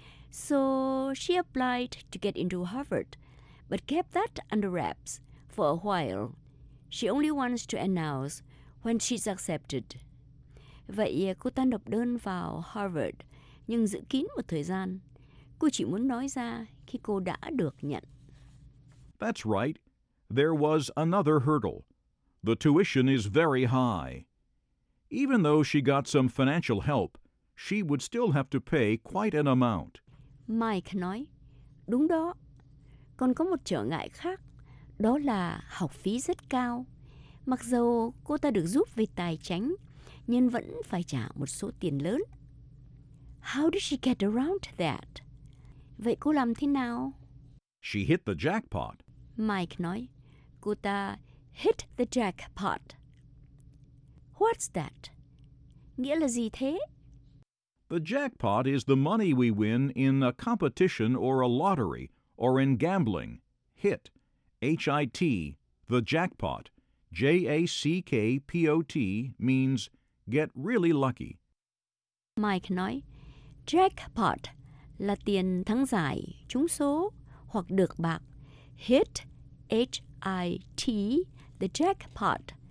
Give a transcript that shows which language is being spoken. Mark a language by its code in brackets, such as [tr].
[en] So she applied to get into Harvard, but kept that under wraps for a while. She only wants to announce when she's accepted. [vi] Vậy cô ta nộp đơn vào Harvard, nhưng giữ kín một thời gian. Cô chỉ muốn nói ra khi cô đã được nhận. [en] That's right. There was another hurdle. The tuition is very high. Even though she got some financial help, she would still have to pay quite an amount. [vi] Mike nói, đúng đó. Còn có một trở ngại khác, đó là học phí rất cao. Mặc dù cô ta được giúp về tài chính, nhưng vẫn phải trả một số tiền lớn. [en] How did she get around that? [vi] Vậy cô làm thế nào? [en] She hit the jackpot. [vi] Mike nói, cô ta [en] hit the jackpot. What's that? [vi] Nghĩa là gì thế? [en] The jackpot is the money we win in a competition or a lottery or in gambling. Hit. H-I-T. The jackpot. J-A-C-K-P-O-T means get really lucky. [vi] Mike nói, jackpot là tiền thắng giải, trúng số hoặc được bạc. Hit. [en] H-I-T. The jackpot.